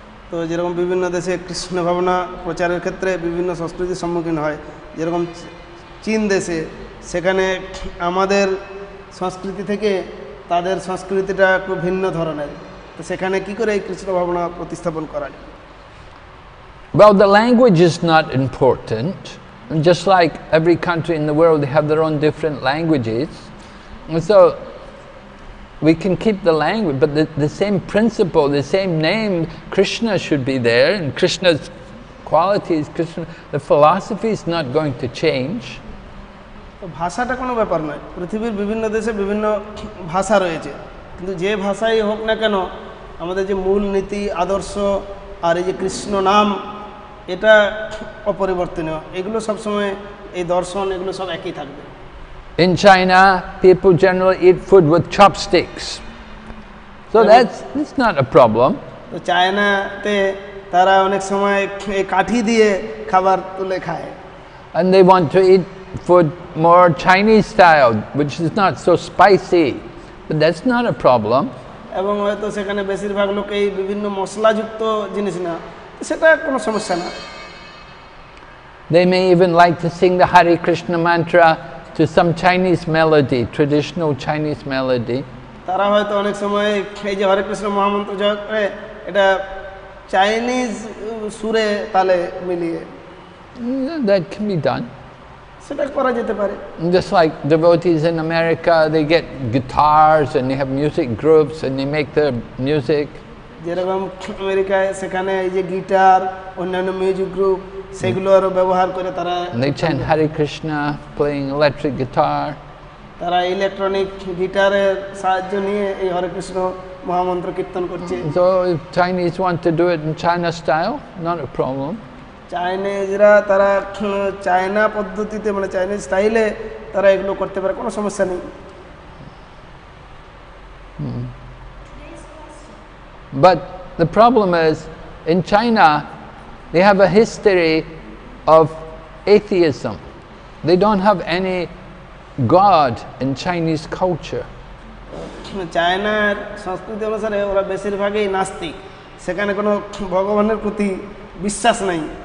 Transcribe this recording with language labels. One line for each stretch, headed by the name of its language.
Bangla: তো যেরকম বিভিন্ন দেশে কৃষ্ণ ভাবনা প্রচারের ক্ষেত্রে বিভিন্ন সংস্কৃতির সম্মুখীন হয়, যেরকম চীন দেশে, সেখানে আমাদের সংস্কৃতি থেকে তাদের সংস্কৃতিটা খুব ভিন্ন ধরনের, তো সেখানে কি করে কৃষ্ণ ভাবনা প্রতিস্থাপন করা যায়?
English: Well, the language is not important. Just like every country in the world, they have their own different languages. And so we can keep the language, but the same principle, the same name, Krishna should be there, and Krishna's qualities, Krishna, the philosophy is not going to change.
Bangla: ভাষাটা কোনো ব্যাপার নয়, পৃথিবীর বিভিন্ন দেশে বিভিন্ন ভাষা রয়েছে, কিন্তু যে ভাষাই হোক না কেন, আমাদের যে মূল নীতি আদর্শ আর এই যে কৃষ্ণ নাম, এটা অপরিবর্তনীয়, এগুলো সবসময় এই দর্শন এগুলো সব একই থাকবে।
English: In China, people generally eat food with chopsticks. So that's not a problem.
Bangla: তো চায়নাতে তারা অনেক সময় এই কাঠি দিয়ে খাবার তুলে খায়।
English: And they want to eat food more Chinese style, which is not so spicy, but that's not a problem.
Bangla: এবং হয়তো সেখানে বেশিরভাগ লোক এই বিভিন্ন মশলাযুক্ত জিনিস না, সেটা কোনো সমস্যা না।
English: They may even like to sing the Hare Krishna mantra to some Chinese melody, traditional Chinese melody.
Bangla: তারা হয়তো অনেক সময় এই যে হরে কৃষ্ণ মহামন্ত্র জপ করে এটা চাইনিজ সুরে তালে মিলিয়ে।
English: That can be done.
Bangla: সেটা করা যেতে পারে।
English: Just like devotees in America, they get guitars and they have music groups and they make their music.
Bangla: যেরকম আমেরিকায় সেখানে এই যে গিটার অন্যান্য মিউজিক গ্রুপ সেগুলোর ব্যবহার করে তারা
English: They chant Hare Krishna playing electric guitar.
Bangla: তারা ইলেকট্রনিক গিটারের সাহায্য নিয়ে এই হরে কৃষ্ণ মহামন্ত্র কীর্তন করছে।
English: So if Chinese want to do it in China style, not a problem.
Bangla: চাইনিজরা তারা চায়না পদ্ধতিতে মানে চাইনিজ স্টাইলে তারা এগুলো করতে পারে, কোনো সমস্যা নেই।
English: But the problem is in China they have a history of atheism. They don't have any god in Chinese culture.
Bangla: চায়নার সংস্কৃতি অনুসারে ওরা বেশিরভাগই নাস্তিক, সেখানে কোনো ভগবানের প্রতি বিশ্বাস নাই।